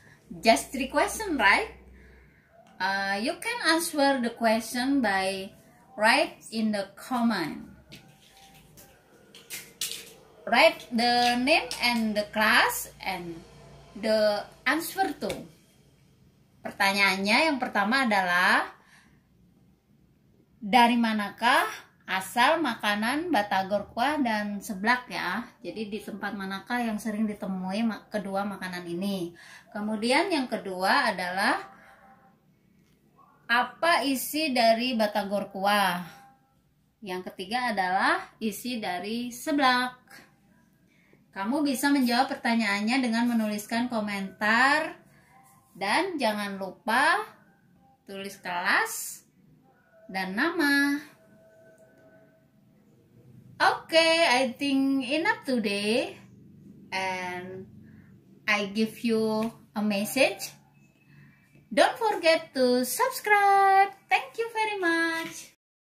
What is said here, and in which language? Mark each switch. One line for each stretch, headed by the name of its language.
English: Just three question, right? You can answer the question by write in the comment. Write the name and the class and the answer to.
Indonesian: Pertanyaannya yang pertama adalah, dari manakah asal makanan batagor kuah dan seblak ya? Jadi di tempat manakah yang sering ditemui kedua makanan ini? Kemudian yang kedua adalah, apa isi dari batagor kuah? Yang ketiga adalah isi dari seblak. Kamu bisa menjawab pertanyaannya dengan menuliskan komentar dan jangan lupa tulis kelas dan nama.
English: Okay, I think enough today and I give you a message. Don't forget to subscribe. Thank you very much.